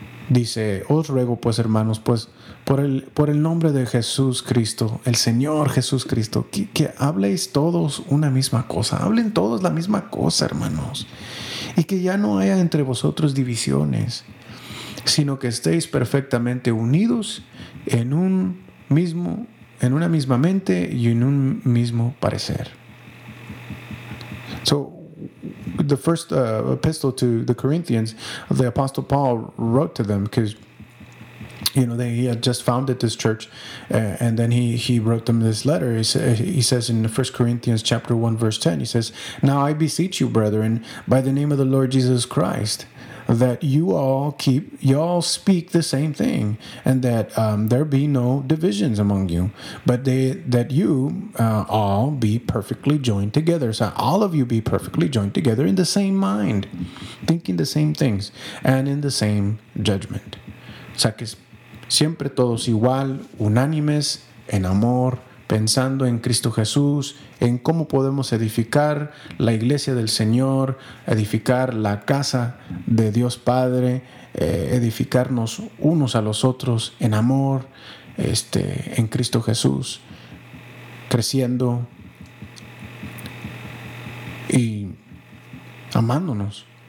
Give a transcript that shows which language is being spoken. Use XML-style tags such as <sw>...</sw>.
<es>Dice, os ruego, pues, hermanos, pues, por el nombre de Jesús Cristo, el Señor Jesús Cristo, que habléis todos una misma cosa. Hablen todos la misma cosa, hermanos. Y que ya no haya entre vosotros divisiones, sino que estéis perfectamente unidos en un mismo, en una misma mente y en un mismo parecer.</es> <en>So, the first epistle to the Corinthians, the Apostle Paul wrote to them because, you know, he had just founded this church, and then he wrote them this letter. He says in 1 Corinthians chapter 1, verse 10, he says, "Now I beseech you, brethren, by the name of the Lord Jesus Christ, that y'all speak the same thing, and that there be no divisions among you, but that you all be perfectly joined together." So all of you be perfectly joined together in the same mind, thinking the same things, and in the same judgment.</en> <es>O sea, que siempre todos igual, unánimes, en amor, pensando en Cristo Jesús, en cómo podemos edificar la iglesia del Señor, edificar la casa de Dios Padre, edificarnos unos a los otros en amor, en Cristo Jesús, creciendo y amándonos.</es>